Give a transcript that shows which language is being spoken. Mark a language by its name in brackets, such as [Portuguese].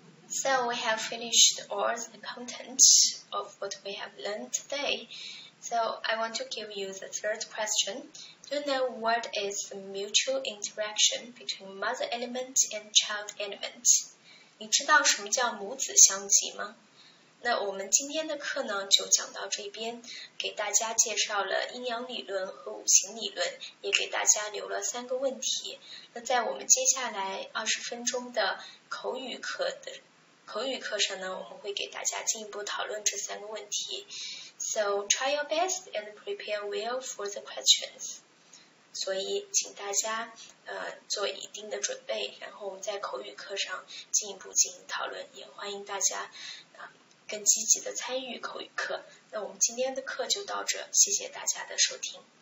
[English] So we have finished all the content of what we have learned today. So I want to give you the third question. Do you know what is the mutual interaction between mother element and child element? [Chinese] 你知道什么叫母子相即吗？那我们今天的课呢就讲到这边，给大家介绍了阴阳理论和五行理论，也给大家留了三个问题。那在我们接下来20分钟的口语课上呢，我们会给大家进一步讨论这三个问题。 [English] So try your best and prepare well for the questions. [Chinese] 所以请大家做一定的准备，然后我们在口语课上进一步进行讨论，也欢迎大家更积极的参与口语课。那我们今天的课就到这，谢谢大家的收听。